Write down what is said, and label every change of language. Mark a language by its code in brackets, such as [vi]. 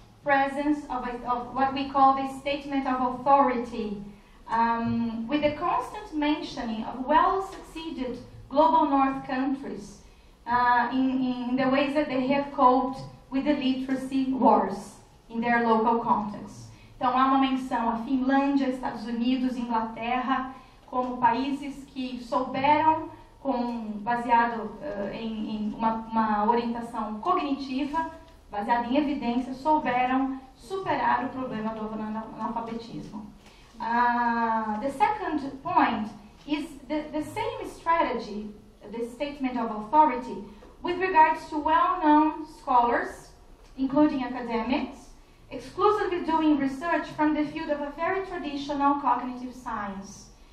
[en] presence of what we call the statement of authority, with the constant mentioning of well-succeeded global North countries in the ways that they have coped with the literacy wars in their local context. [pt] Então, há uma menção a Finlândia, Estados Unidos, Inglaterra, como países que souberam, baseado em uma orientação cognitiva, baseada em evidência, souberam superar o problema do analfabetismo. [en] The second point is the same strategy, the statement of authority, with regards to well-known scholars, including academics, exclusively doing research from the field of a very traditional cognitive science.